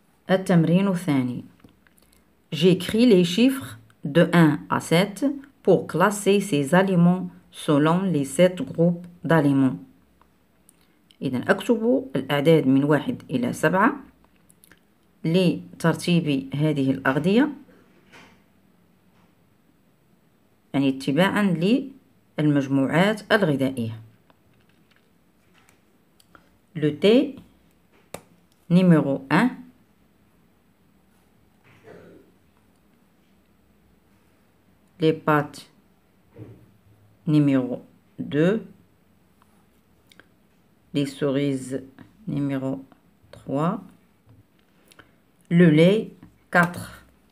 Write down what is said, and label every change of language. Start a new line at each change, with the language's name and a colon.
Arabic: التمرين الثاني،
French: j'écris les chiffres de 1 à 7 pour classer ces aliments selon les 7 groupes d'aliments.
Arabic: إذن أكتب الأعداد من 1 إلى 7 لترتيب هذه الأغذية، يعني اتباعا للمجموعات الغذائية.
French: Le thé numéro 1 les pâtes numéro 2, les cerises numéro 3, le lait 4,